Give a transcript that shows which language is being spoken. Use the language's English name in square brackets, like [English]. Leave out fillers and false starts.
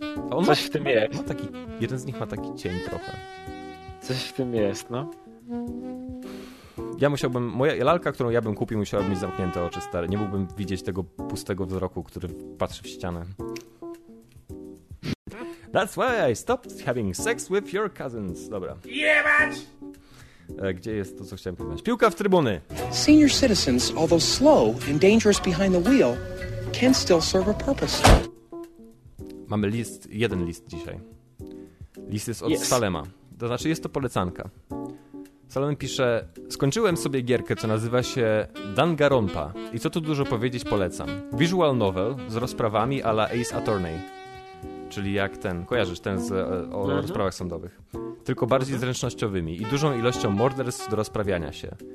[Polish] On coś ma, w tym jest. Ma taki, jeden z nich ma taki cień trochę. Coś w tym jest, no. Ja musiałbym, moja lalka, którą ja bym kupił, musiałaby mieć zamknięte oczy, stary. Nie mógłbym widzieć tego pustego wzroku, który patrzy w ścianę. [English] That's why I stopped having sex with your cousins. [Polish] Dobra. Jebać! Gdzie jest to, co chciałem powiedzieć? Piłka w trybuny! [English] Senior citizens, although slow and dangerous behind the wheel, can still serve a purpose. [Polish] Mamy list, jeden list dzisiaj. List jest od Salema. To znaczy, jest to polecanka. Salem pisze, skończyłem sobie gierkę, co nazywa się Danganronpa. I co tu dużo powiedzieć, polecam. Visual novel z rozprawami a la Ace Attorney. Czyli jak ten, kojarzysz ten z, o rozprawach sądowych. Tylko bardziej zręcznościowymi i dużą ilością morderstw do rozprawiania się.